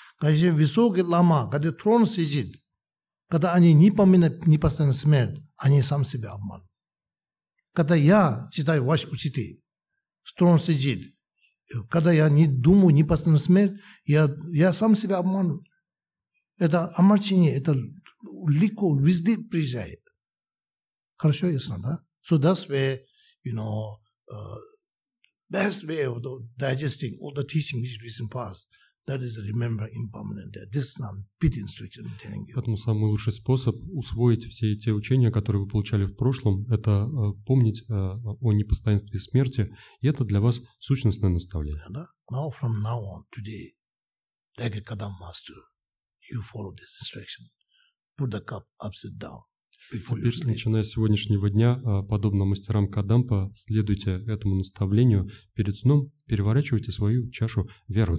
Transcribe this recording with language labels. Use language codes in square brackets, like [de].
[ru] Когда высокий лама, когда трон сидит, когда они не поминают непостоянную смерть, они сам себе обманут. Когда я читаю ваш учитель, трон сидит, когда я не думаю непостоянную смерть, я сам себя обманут. Это омрачение, это легко везде приезжает. Хорошо, ясно, да? [en] So that's where, you know, best way of digesting all the teaching which recent past, that is remember impermanent death. This is not pity instruction I'm telling you. [ru] Поэтому самый лучший способ усвоить все эти учения, которые вы получали в прошлом, это помнить о непостоянстве смерти, и это для вас сущностное наставление. [en] Now from now on, today, like a Kadam master, you follow this instruction. Put the cup upside down. [ru] Теперь, начиная с сегодняшнего дня, подобно мастерам Кадампа, следуйте этому наставлению. Перед сном переворачивайте свою чашу вверх